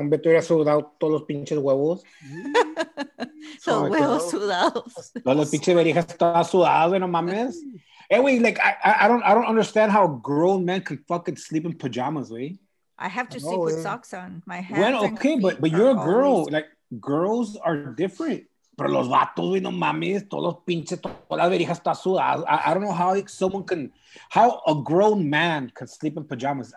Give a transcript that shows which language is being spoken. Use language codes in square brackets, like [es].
[es] Hombre, tú hubieras sudado todos los pinches huevos. Son huevos sudados. Todos los pinches verijas estaban sudados, no mames. [en] Anyway, like, I don't understand how grown men could fucking sleep in pajamas, güey. I have to sleep with socks on. My hands. Well, okay, but you're a girl. Like, girls are different. [es] Pero los vatos, güey, no mames. Todos los pinches, todas las verijas están sudadas. [en] I don't know how someone can, how a grown man could sleep in pajamas.